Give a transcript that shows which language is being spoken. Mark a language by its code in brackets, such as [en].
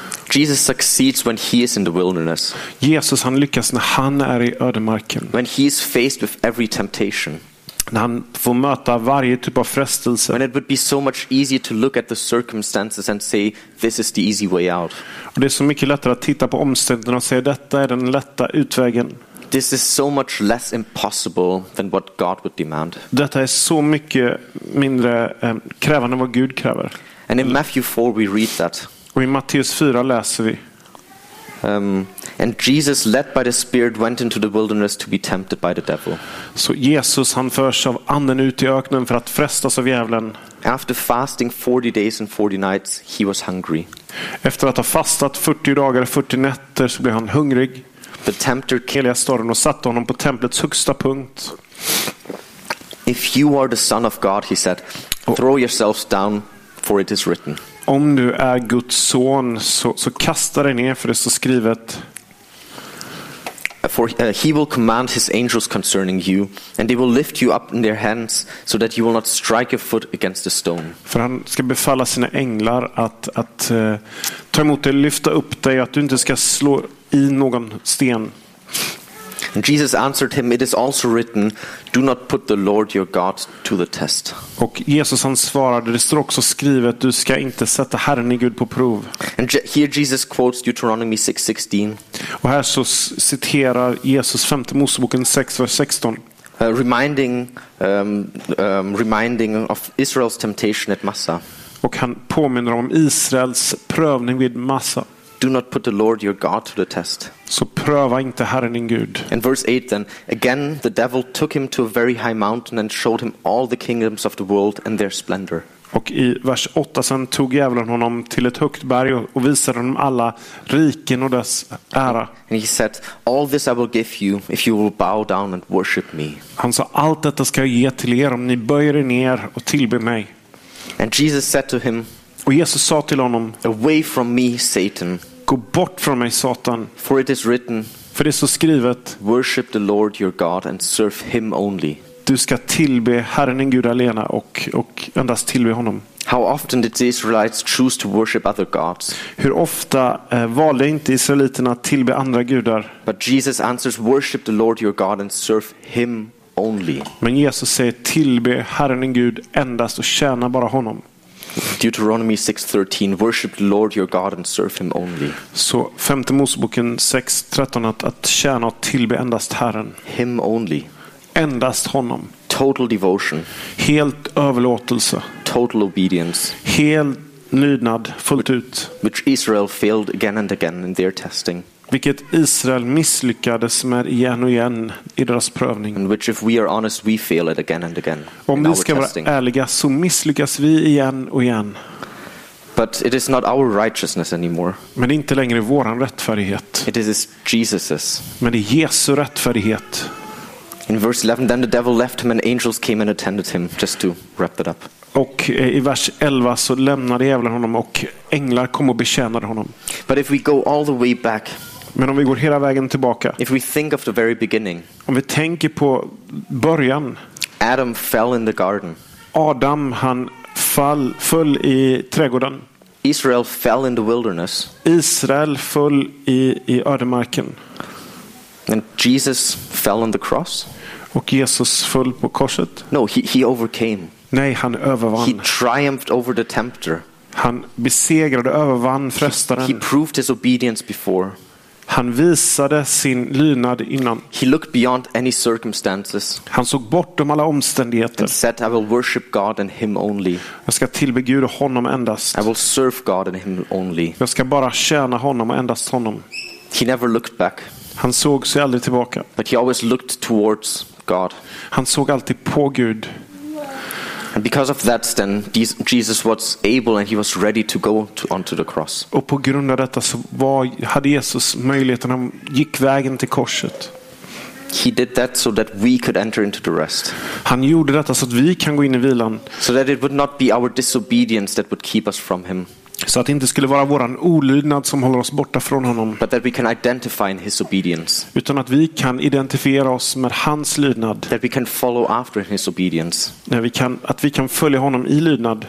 [en] Jesus succeeds when he is in the wilderness. [sv] Jesus han lyckas när han är i ödemarken. [en] When he is faced with every temptation. [sv] När han får möta varje typ av frestelse. [en] When it would be so much easier to look at the circumstances and say this is the easy way out. [sv] Och det är så mycket lättare att titta på omständigheterna och säga detta är den lätta utvägen. [en] This is so much less impossible than what God would demand. [sv] Detta är så mycket mindre krävande än vad Gud kräver. [en] And in Matthew 4 we read that. [sv] Och i Matteus 4 läser vi. [en] And Jesus led by the spirit went into the wilderness to be tempted by the devil. [sv] Så Jesus han förs av anden ut i öknen för att frestas av djävulen. [en] After fasting 40 days and 40 nights he was hungry. [sv] Efter att ha fastat 40 dagar och 40 nätter så blev han hungrig. [en] The tempter [sv] Elia stormade och satte honom på templets högsta punkt. [en] If you are the son of God he said throw yourselves down for it is written. [sv] Om du är Guds son så kasta dig ner för det står skrivet. [en] For he will command his angels concerning you and they will lift you up in their hands so that you will not strike your foot against a stone. [sv] För han ska befalla sina änglar att ta emot dig, lyfta upp dig, att du inte ska slå i någon sten. [en] And Jesus answered him, it is also written, do not put the Lord your God to the test. [sv] Och Jesus han svarade, det står också skrivet, du ska inte sätta Herren i Gud på prov. [en] And here Jesus quotes Deuteronomy 6:16. [sv] Och här så citerar Jesus 5 Moseboken 6, vers 16. [en] Reminding of Israel's temptation at Massa. [sv] Och han påminner om Israels prövning vid Massa. [en] Do not put the Lord your God to the test. [sv] Så pröva inte Herren din Gud. [en] In verse 8 then, again the devil took him to a very high mountain and showed him all the kingdoms of the world and their splendor. [sv] Och i vers 8 sen tog djävulen honom till ett högt berg och visade honom alla riken och dess ära. [en] And he said, all this I will give you if you will bow down and worship me. [sv] Han sa, allt detta ska jag ge till er om ni böjer er ner och tillber mig. [en] And Jesus said to him, [sv] och Jesus sa till honom, [en] away from me Satan. [sv] Gå bort från mig Satan. [en] For it is written. [sv] För det är så skrivet. [en] Worship the Lord your God and serve him only. [sv] Du ska tillbe Herren din Gud allena och endast tillbe honom. [en] How often did the Israelites choose to worship other gods? [sv] Hur ofta valde inte israeliterna att tillbe andra gudar? [en] But Jesus answers, worship the Lord your God and serve him only. [sv] Men Jesus säger, tillbe Herren din Gud endast och tjäna bara honom. [en] Deuteronomy 6:13, worship the Lord your God and serve him only. [sv] Så femte Moseboken 6:13 att tjäna och tillbe endast Herren. [en] Him only. [sv] Endast honom. [en] Total devotion. [sv] Helt överlåtelse. [en] Total obedience. [sv] Helt lydnad fullt ut. [en] Which Israel failed again and again in their testing. [sv] Vilket Israel misslyckades med igen och igen i deras prövning. [en] And which if we are honest we fail it again and again. [sv] Om vi ska vara ärliga så misslyckas vi igen och igen. [en] But it is not our righteousness anymore. [sv] Men inte längre våran rättfärdighet. [en] It is Jesus's. [sv] Men det är Jesu rättfärdighet. [en] In verse 11, then the devil left him and angels came and attended him, just to wrap that up. [sv] Och i vers 11 så lämnade djävulen honom och änglar kom och betjänade honom. [en] But if we go all the way back, [sv] men om vi går hela vägen tillbaka, [en] if we think of the very beginning, [sv] om vi tänker på början, [en] Adam fell in the garden. [sv] Adam han föll i trädgården. [en] Israel fell in the wilderness. [sv] Israel föll i ödemarken. [en] And Jesus fell on the cross. [sv] Och Jesus föll på korset. [en] No, he overcame. [sv] Nej, han övervann. [en] He triumphed over the tempter. [sv] Han besegrade, övervann frestaren. [en] He proved his obedience before. [sv] Han visade sin lydnad innan. [en] He looked beyond any circumstances. [sv] Han såg bortom alla omständigheter. [en] And said, I will worship God and him only. [sv] Jag ska tillbe Gud och honom endast. [en] I will serve God and him only. [sv] Jag ska bara tjäna honom och endast honom. [en] He never looked back. [sv] Han såg sig aldrig tillbaka. [en] But he always looked towards God. [sv] Han såg alltid på Gud. [en] And because of that then Jesus was able and he was ready to go onto the cross. [sv] Och på grund av detta så hade Jesus möjligheten, han gick vägen till korset. [en] He did that so that we could enter into the rest. [sv] Han gjorde detta så att vi kan gå in i vilan. [en] So that it would not be our disobedience that would keep us from him. [sv] Så att det inte skulle vara våran olydnad som håller oss borta från honom. [en] But that we can identify in his obedience. [sv] Utan att vi kan identifiera oss med hans lydnad. [en] That we can follow after his obedience. [sv] Att vi kan följa honom i lydnad.